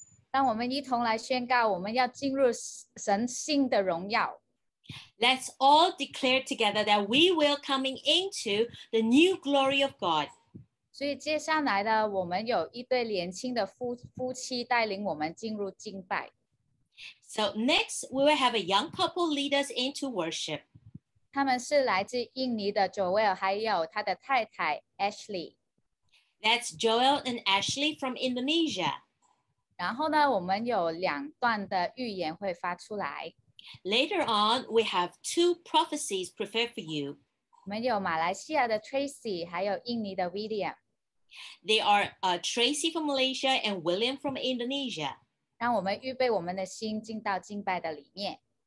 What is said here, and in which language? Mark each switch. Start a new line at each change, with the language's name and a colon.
Chinese: 让我们一同来宣告，我们要进入神新的荣耀。
English: Let's all declare together that we will coming into the new glory of God.
Chinese: 所以接下来呢，我们有一对年轻的夫妻带领我们进入敬拜。
English: So next, we will have a young couple lead us into worship.
Chinese: 他们是来自印尼的 Joel 还有他的太太 Ashley.
English: That's Joel and Ashley from Indonesia.
Chinese: 然后呢，我们有两段的预言会发出来。
English: Later on, we have 2 prophecies prepared for you.
Chinese: 我们有马来西亚的 Tracy 还有印尼的 William.
English: They are Tracy from Malaysia and William from Indonesia.
Chinese: 让我们预备我们的心进到敬拜的里面。